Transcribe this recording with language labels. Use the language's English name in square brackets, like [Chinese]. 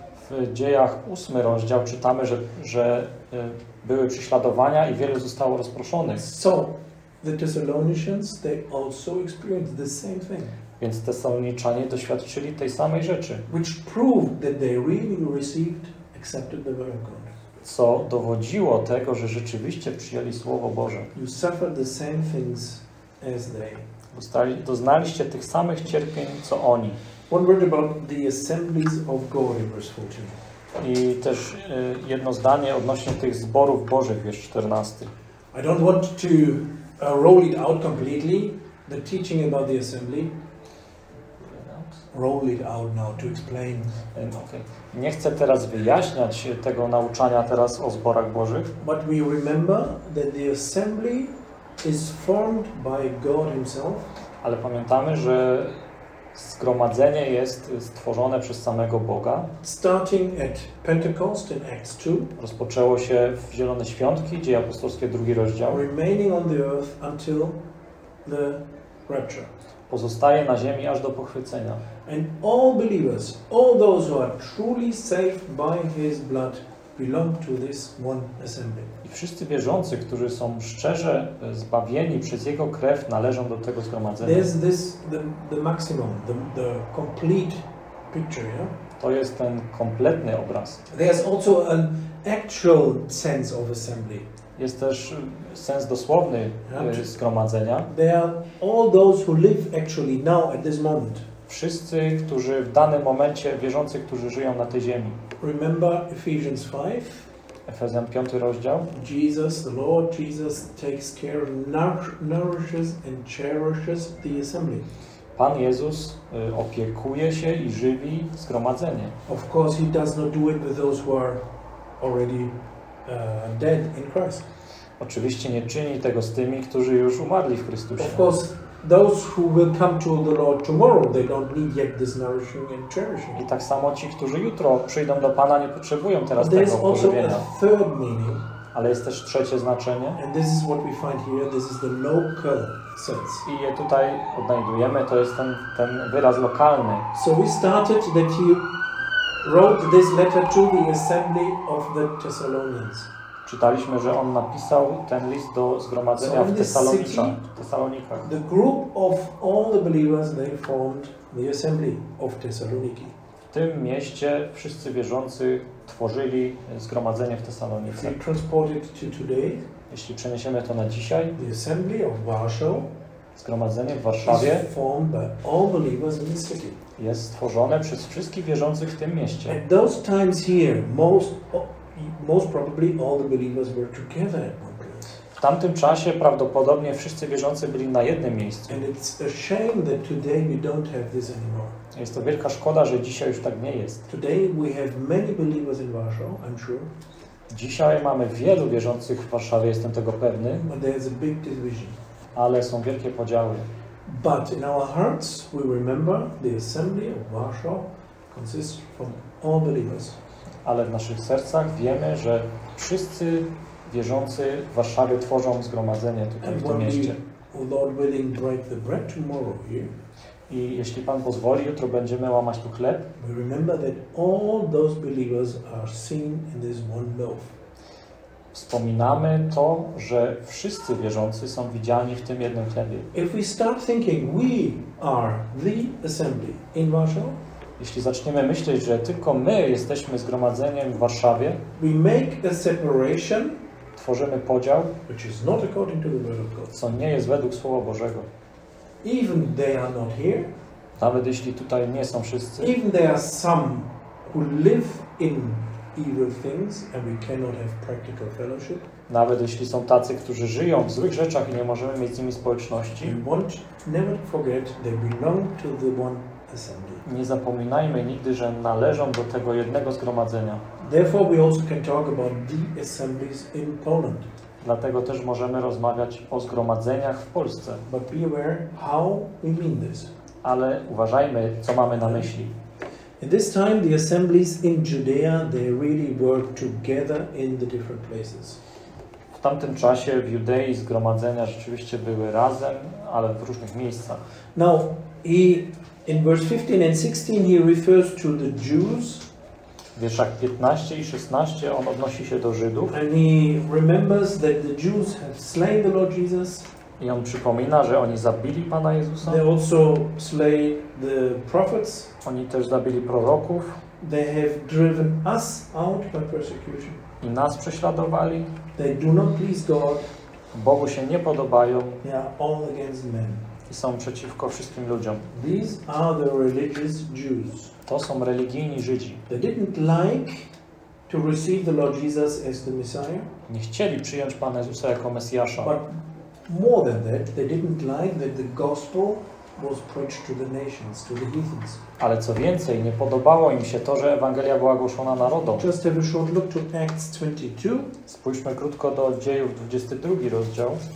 [Polish] W Dziejach 8 rozdział czytamy, że były prześladowania i wielu zostało rozproszonych. [English] So the Thessalonians they also experienced the same thing. [Polish] Więc Tesaloniczanie doświadczyli tej samej rzeczy. [English] Which proved that they really received, accepted the word of God. [Polish] Co dowodziło tego, że rzeczywiście przyjęli Słowo Boże. [English] You suffered the same things as they. [Polish] Doznaliście tych samych cierpień, co oni. [English] One word about the assemblies of God in verse 14. [Polish] I też jedno zdanie odnośnie tych zborów Bożych, wiersz 14. [English] I don't want to roll it out completely, the teaching about the assembly. Roll it out now to explain. Okay. [Polish] Nie chcę teraz wyjaśniać tego nauczania teraz o zborach Bożych. [English] But we remember that the assembly is formed by God Himself. [Polish] Ale pamiętamy, że zgromadzenie jest stworzone przez samego Boga. [English] Starting at Pentecost in Acts 2. [Polish] Rozpoczęło się w Zielone Świątki, Dzieje Apostolskie, drugi rozdział. [English] Remaining on the earth until the rapture. [Polish] Pozostaje na ziemi aż do pochwycenia. [English] And all believers, all those who are truly saved by His blood, belong to this one assembly. [Polish] I wszyscy wierzący, którzy są szczerze zbawieni przez Jego krew, należą do tego zgromadzenia. [English] There's this the maximum, the complete picture. Yeah? [Polish] To jest ten kompletny obraz. [English] There's also an actual sense of assembly. [Polish] Jest też sens dosłowny zgromadzenia. [English] They are all those who live actually now at this moment. [Polish] Wszyscy, którzy w danym momencie, wierzący, którzy żyją na tej ziemi. [English] Remember Ephesians 5. [Polish] Efezjan 5 rozdział. [English] Jesus, the Lord Jesus, takes care, nourishes and cherishes the assembly. [Polish] Pan Jezus opiekuje się i żywi zgromadzenie. [English] Of course, He does not do it with those who are already dead in Christ. [Polish] Oczywiście nie czyni tego z tymi, którzy już umarli w Chrystusie. [English] Of course, those who will come to the Lord tomorrow, they don't need yet this nourishing and cherishing. [Polish] I tak samo ci, którzy jutro przyjdą do Pana, nie potrzebują teraz [English] there [Polish] tego pożywienia. [English] There is also a third meaning. [Polish] Ale jest też trzecie znaczenie. [English] And this is what we find here. This is the local sense. [Polish] I je tutaj odnajdujemy. To jest ten wyraz lokalny. [English] So we started that you wrote this letter to the assembly of the Thessalonians. [Polish] Czytaliśmy, że on napisał ten list do zgromadzenia w Tesalonikach. [English] The group of all the believers they formed the assembly of Thessaloniki. [Polish] W tym mieście wszyscy wierzący tworzyli zgromadzenie w Tesalonice. [English] If we transport it to today, [Polish] jeśli przeniesiemy to na dzisiaj, [English] the assembly of Warsaw, [Polish] zgromadzenie w Warszawie, [English] is formed by all believers in the city. [Polish] Jest stworzone przez wszystkich wierzących w tym mieście. [English] At those times here, most probably all the believers were together at one place. [Polish] W tamtym czasie prawdopodobnie wszyscy wierzący byli na jednym miejscu. [English] And it's a shame that today we don't have this anymore. [Polish] Jest to wielka szkoda, że dzisiaj już tak nie jest. [English] Today we have many believers in Warsaw, I'm sure. [Polish] Dzisiaj mamy wielu wierzących w Warszawie, jestem tego pewny. [English] But there's a big division. [Polish] Ale są wielkie podziały. [English] But in our hearts we remember the assembly of Warsaw consists from all believers. [Polish] Ale w naszych sercach wiemy, że wszyscy wierzący w Warszawie tworzą zgromadzenie tutaj w tym mieście. [English] Lord willing, break the bread tomorrow here. [Polish] I jeśli Pan pozwoli, jutro będziemy łamać tu chleb. [English] We remember that all those believers are seen in this one loaf. [Polish] Wspominamy to, że wszyscy wierzący są widziani w tym jednym chlebie. [English] If we start thinking we are the assembly in Warsaw, [Polish] jeśli zaczniemy myśleć, że tylko my jesteśmy zgromadzeniem w Warszawie, [English] we make a separation, [Polish] tworzymy podział, [English] which is not according to the word of God, [Polish] co nie jest według Słowa Bożego. [English] Even they are not here, [Polish] nawet jeśli tutaj nie są wszyscy, [English] even there are some who live in evil things and we cannot have practical fellowship, [Polish] nawet jeśli są tacy, którzy żyją w złych rzeczach i nie możemy mieć z nimi społeczności, [English] we won't never forget they belong to the one assembly. [Polish] Nie zapominajmy nigdy, że należą do tego jednego zgromadzenia. [English] Therefore we also can talk about the assemblies in Poland. [Polish] Dlatego też możemy rozmawiać o zgromadzeniach w Polsce. [English] But be aware how we mean this. [Polish] Ale uważajmy, co mamy na myśli. [English] In this time the assemblies in Judea, they really work together in the different places. [Polish] W tamtym czasie w Judei zgromadzenia rzeczywiście były razem, ale w różnych miejscach. [English] Now he in verse 15 and 16 he refers to the Jews. [Polish] W wierszach 15 i 16 on odnosi się do Żydów. [English] And he remembers that the Jews have slain the Lord Jesus. [Polish] I on przypomina, że oni zabili Pana Jezusa. [English] They also slay the prophets. [Polish] Oni też zabili proroków. [English] They have driven us out by persecution. [Polish] I nas prześladowali. [English] They do not please God. [Polish] Bogu się nie podobają. [English] They are all against men. [Polish] I są przeciwko wszystkim ludziom. [English] These are the religious Jews. [Polish] To są religijni Żydzi. [English] They didn't like to receive the Lord Jesus as the Messiah. [Polish] Nie chcieli przyjąć Pana Jezusa jako Mesjasza. [English] But more than that, they didn't like that the gospel was preached to the nations, to the heathens. [Polish] Ale co więcej, nie podobało im się to, że Ewangelia była głoszona narodom. [English] Just have a short look to Acts 22. [Polish] Spójrzmy krótko do Dziejów 22 rozdział.